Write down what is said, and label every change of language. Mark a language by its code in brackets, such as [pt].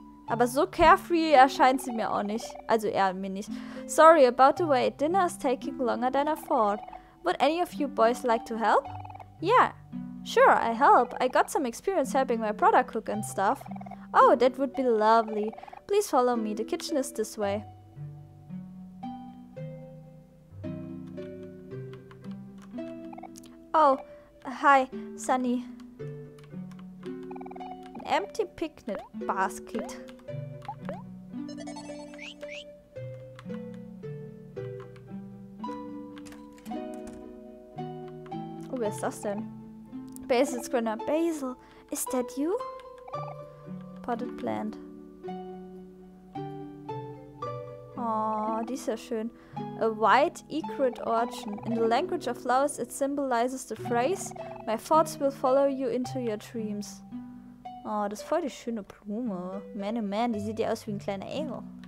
[de] Aber so carefree erscheint sie mir auch nicht. Also eher mir nicht. [en] Sorry about the wait. Dinner is taking longer than I thought. Would any of you boys like to help? Yeah, sure, I help. I got some experience helping my brother cook and stuff. Oh, that would be lovely. Please follow me. The kitchen is this way. Oh, hi, Sunny. empty picnic basket. [de] Oh, wer ist das denn? Basil Scrinner. [en] Basil, is that you? Potted plant. [de] Oh, die ist ja schön. [en] A white egret orchard. In the language of flowers, it symbolizes the phrase, my thoughts will follow you into your dreams. [de] Oh, das ist voll die schöne Blume. Man, oh man, die sieht ja aus wie ein kleiner Engel.